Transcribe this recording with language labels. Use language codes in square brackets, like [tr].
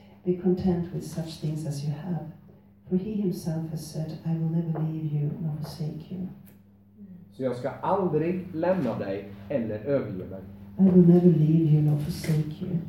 [en] Be content with such things as you have. For he himself has said, I will never leave you nor forsake you. [sv] Så jag ska aldrig lämna dig eller överge dig. [en] I will never leave you nor forsake you.